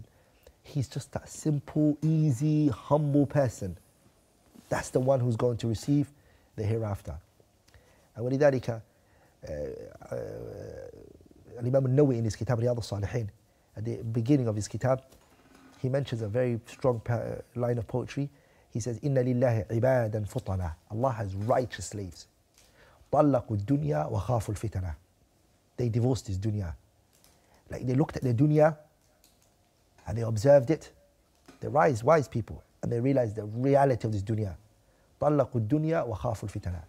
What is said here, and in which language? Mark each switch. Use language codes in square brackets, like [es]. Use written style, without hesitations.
[en] And he's just that simple, easy, humble person. That's the one who's going to receive the hereafter. And [ar] ولذلك [en] Imam al-Nawi in his kitab Riyad al-Salihin, at the beginning of his kitab, he mentions a very strong line of poetry. He says, [ar] إِنَّ لِلَّهِ عِبَادًا فُطَنَا. [en] Allah has righteous slaves. [ar] طَلَّقُوا الدُّنْيَا وَخَافُوا الْفِتَنَا. [en] They divorced his dunya. Like, they looked at their dunya and they observed it. They're wise people. And they realize the reality of this dunya. [ar] طَلَّقُوا الدُّنْيَا وَخَافُوا الْفِتَنَا.